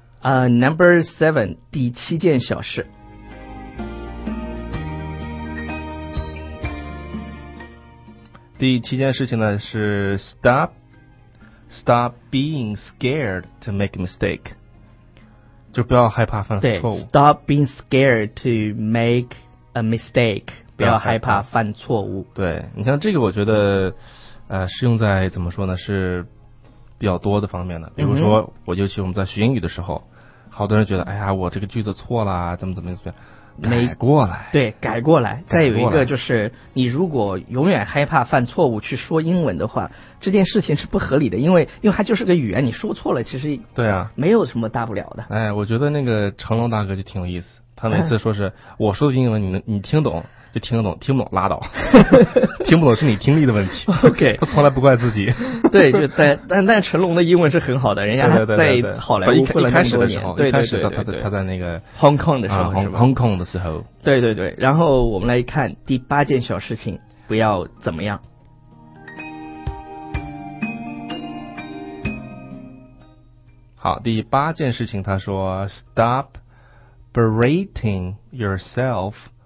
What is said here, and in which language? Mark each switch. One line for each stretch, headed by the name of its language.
English: Number seven,
Chinese: 第七件小事。第七件事情呢是
English: stop being scared to make a mistake，
Chinese: 就不要害怕犯错误。
English: 对， stop being scared to make a mistake，
Chinese: 不要害怕犯错误。对，你像这个我觉得适用在怎么说呢，是比较多的方面的。比如说我尤其我们在学英语的时候，好多人觉得哎呀我这个句子错了怎么样没过来，对，改过来。再有一个就是，你如果永远害怕犯错误去说英文的话，这件事情是不合理的，因为它就是个语言，你说错了，其实对啊，没有什么大不了的。哎，我觉得那个成龙大哥就挺有意思，他每次说是我说的英文，你听懂就听得懂，听不懂拉倒，听不懂是你听力的问题。
English: OK，
Chinese: 他从来不怪自己。对，就但成龙的英文是很好的，人家在好莱坞混了那么多年。一开始的时候，他在那个 Hong Kong 的时候， Hong Kong 的时候。对对对，然后我们来看第八件小事情，不要怎么样。好，第八件事情，他说 ：
English: “Stop berating yourself。”